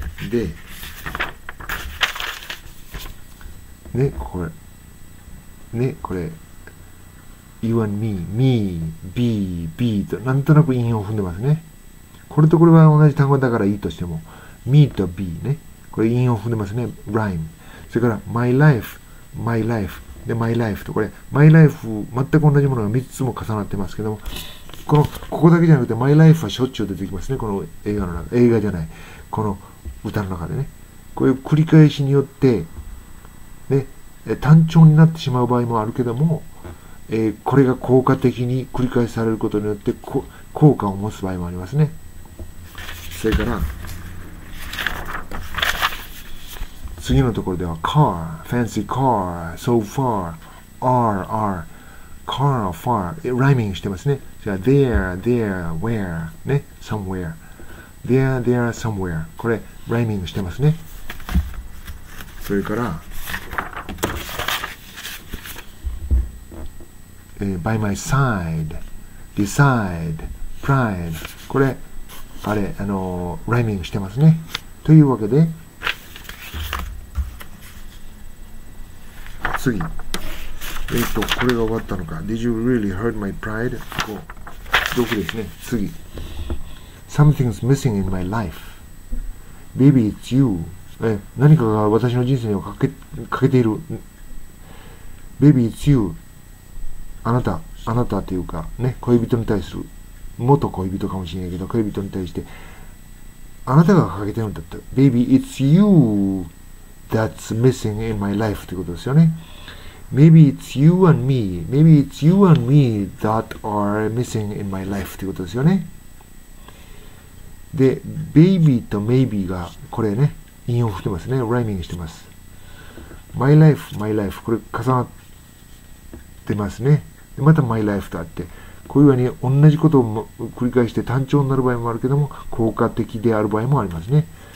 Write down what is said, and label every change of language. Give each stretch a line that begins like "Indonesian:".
Japanese: で、ね、これ。ね、これ。
English: You and me, me, be, be と、
Japanese: なんとなく韻を踏んでますね。これとこれは同じ単語だからいいとしても、me と be ね。これ韻を踏んでますね。
English: rhyme。それから、my life, my life。
Japanese: で、my life と、これ、my life、全く同じものが3つも重なってますけども、ここだけじゃなくて、My Life はしょっちゅう出てきますね。この映画の中、映画じゃない。この歌の中でね。こういう繰り返しによって、ね、単調になってしまう場合もあるけども、これが効果的に繰り返されることによって、効果を持つ場合もありますね。それから、次のところでは、
English: Car, Fancy Car, So Far, R, R. Car, far, rhyming
Japanese: してますね。 じゃあ
English: there, there, where, ね、somewhere. There, there, somewhere.
Japanese: これ、rhyming してますね。
English: それから、by my side, decide, pride.
Japanese: これ、あれ、rhyming してますね。というわけで、次。これが終わったのか。
English: Did you really hurt my pride?
Japanese: こう。どこですね。次。
English: Something's missing in my life. Maybe it's you.
Japanese: 何かが私の人生に欠けている。
English: Maybe it's you.
Japanese: あなたっていうか、ね、恋人に対する、元恋人かもしれないけど、恋人に対して、あなたが欠けているんだった。
English: Maybe it's you that's missing in my life
Japanese: ってことですよね。
English: Maybe it's you and me. Maybe it's you and me that are missing in my life
Japanese: ってことですよね。で、baby と maybe がこれね、引用してますね。ライミングしてます。
English: My life, my life.
Japanese: これ重なってますね。でまた my life とあって。こういうふうに同じことを繰り返して単調になる場合もあるけども、効果的である場合もありますね。